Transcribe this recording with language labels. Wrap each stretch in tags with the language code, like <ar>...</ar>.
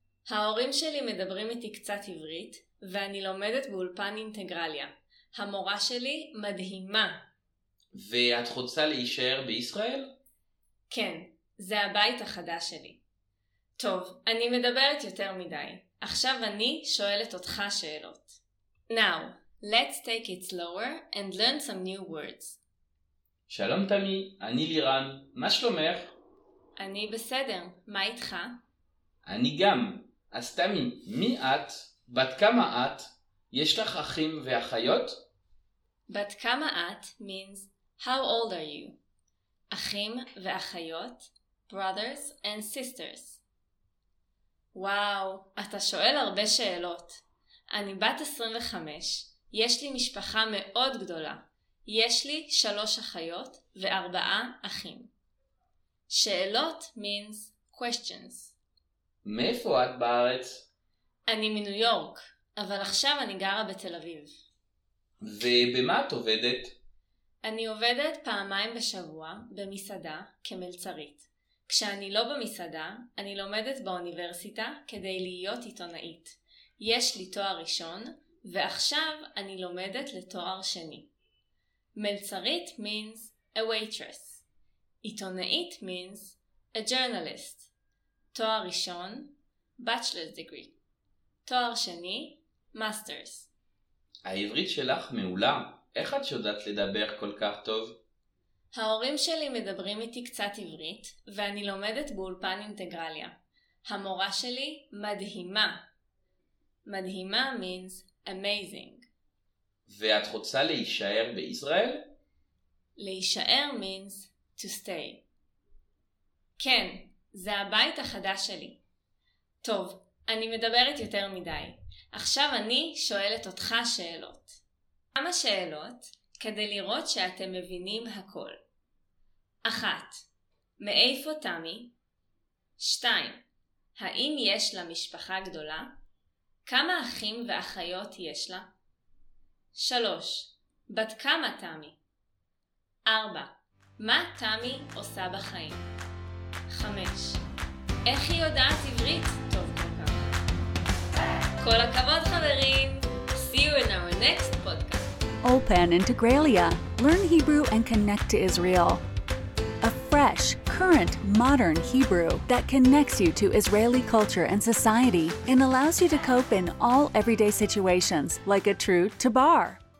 <he>ההורים שלי מדברים איתי קצת עברית, ואני לומדת באולפן אינטגרליה. המורה שלי מדהימה. ואת רוצה להישאר בישראל? כן, זה הבית החדש שלי. טוב, אני מדברת יותר מדי. עכשיו אני שואלת אותך שאלות.</he> <en>Now, let's take it slower and learn some new words.</en> <he>שלום תמי, אני לירן. מה שלומך? אני בסדר, מה איתך? אני גם. אז תמי, מי את? בת כמה את? יש לך אחים ואחיות? בת כמה את</he> <en>means how old are you?</en> <he>אחים ואחיות,</he> <en>brothers and sisters.</en> <he>וואו, אתה שואל הרבה שאלות. אני בת 25, יש לי משפחה מאוד גדולה. יש לי 3 אחיות ו4 אחים. שאלות</he> <en>means questions.</en> <he>מאיפה את בארץ? אני מניו יורק, אבל עכשיו אני גרה בתל אביב. ובמה את עובדת? אני עובדת פעמיים בשבוע במסעדה כמלצרית. כשאני לא במסעדה, אני לומדת באוניברסיטה כדי להיות עיתונאית. יש לי תואר ראשון, ועכשיו אני לומדת לתואר שני. מלצרית</he> <en>means a waitress.</en> <he>עיתונאית</he> <en>means a journalist.</en> <he>תואר ראשון,</he> <en>bachelor's degree.</en> <he>תואר שני,</he> <en>master's.</en> <he>העברית שלך מעולה. איך את יודעת לדבר כל כך טוב? ההורים שלי מדברים איתי קצת עברית, ואני לומדת באולפן אינטגרליה. המורה שלי מדהימה. מדהימה</he> <en>means amazing.</en> <he>ואת רוצה להישאר בישראל? להישאר</he> <en>means to stay.</en> <he>כן, זה הבית החדש שלי. טוב, אני מדברת יותר מדי. עכשיו אני שואלת אותך שאלות. כמה שאלות כדי לראות שאתם מבינים הכל. 1. מאיפה תמי? 2. האם יש לה משפחה גדולה? כמה אחים ואחיות יש לה? 3. בת כמה תמי? 4. מה תמי עושה בחיים? 5. איך היא יודעת עברית טוב כל כך? כל הכבוד חברים!</he> <en>See you in our next podcast. Ulpan Integraliah. Learn Hebrew and connect to Israel. A fresh, current, modern Hebrew that connects you to Israeli culture and society and allows you to cope in all everyday situations like a true tabar.</en>